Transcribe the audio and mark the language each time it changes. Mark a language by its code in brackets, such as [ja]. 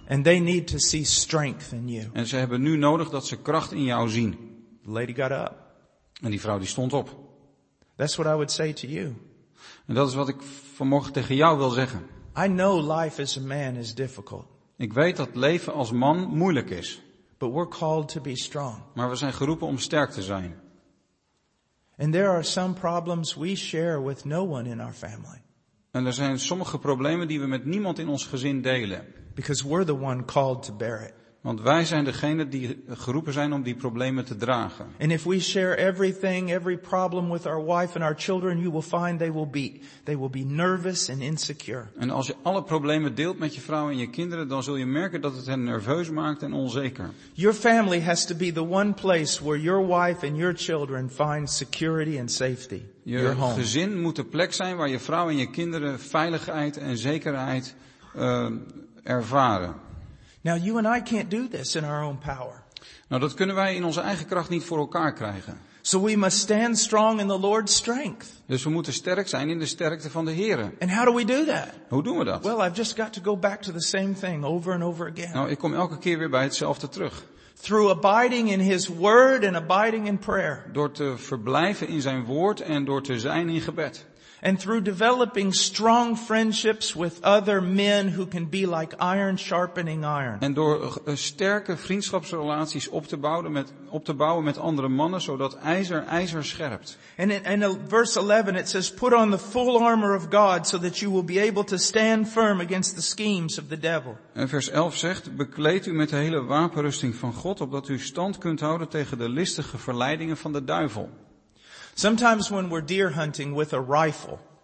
[en] And they need to see strength in you. [nl] En ze hebben nu nodig dat ze kracht in jou zien. [en] The lady got up. [nl] En die vrouw die stond op. [en] That's what I would say to you. [nl] En dat is wat ik vanmorgen tegen jou wil zeggen. [en] I know life as a man is difficult. [nl] Ik weet dat leven als man moeilijk is. [en] But we're called to be strong. [nl] Maar we zijn geroepen om sterk te zijn. [en] And there are some problems we share with no one in our family. [nl] En er zijn sommige problemen die we met niemand in ons gezin delen. [en] Because we're the one called to bear it. [nl] Want wij zijn degene die geroepen zijn om die problemen te dragen. [en] And if we share everything, every problem with our wife and our children, you will find they will be nervous and insecure. [nl] En als je alle problemen deelt met je vrouw en je kinderen, dan zul je merken dat het hen nerveus maakt en onzeker. [en] Your family has to be the one place where your wife and your children find security and safety. [nl] Je gezin moet de plek zijn waar je vrouw en je kinderen veiligheid en zekerheid ervaren. [en] Now you and I can't do this in our own power. [nl] Nou, dat kunnen wij in onze eigen kracht niet voor elkaar krijgen. [en] So we must stand strong in the Lord's strength. [nl] Dus we moeten sterk zijn in de sterkte van de Heere. [en] And how do we do that? [nl] Hoe doen we dat? [en] Well, I've just got to go back to the same thing over and over again. [nl] Nou, ik kom elke keer weer bij hetzelfde terug. [en] Through abiding in His Word and abiding in prayer. [nl] Door te verblijven in Zijn Woord en door te zijn in gebed. [en] And through developing strong friendships with other men who can be like iron sharpening iron. [nl] En door sterke vriendschapsrelaties op te bouwen met andere mannen, zodat ijzer scherpt. [en] And in verse 11 it says, put on the full armor of God so that you will be able to stand firm against the schemes of the devil. [nl] En vers 11 zegt, bekleed u met de hele wapenrusting van God, opdat u stand kunt houden tegen de listige verleidingen van de duivel. [en] Sometimes when we're deer hunting with a rifle.